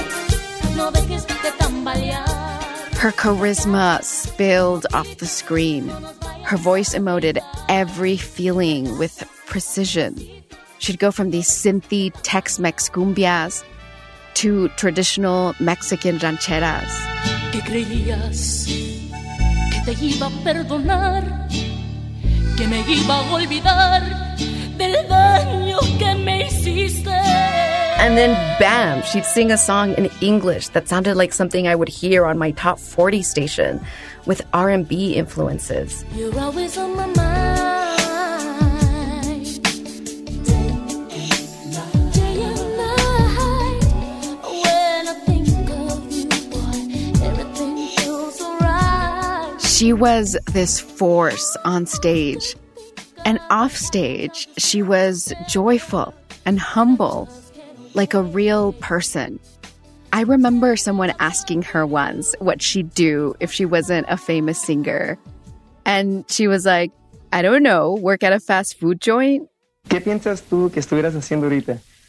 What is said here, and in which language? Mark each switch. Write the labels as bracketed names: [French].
[English] Her charisma spilled off the screen. Her voice emoted every feeling with precision. She'd go from these synthy Tex-Mex cumbias to traditional Mexican rancheras. [Spanish] ¿Qué creías que te iba a perdonar? Que me iba a olvidar del daño que me hiciste? [English] And then, bam, she'd sing a song in English that sounded like something I would hear on my top 40 station with R&B influences. You're always on my mind. Day and night. When I think of you, boy, everything feels alright. She was this force on stage. And off stage, she was joyful and humble. Like a real person. I remember someone asking her once what she'd do if she wasn't a famous singer. And she was like, I don't know, work at a fast food joint? [Spanish] ¿Qué piensas tú que estuvieras haciendo ahorita?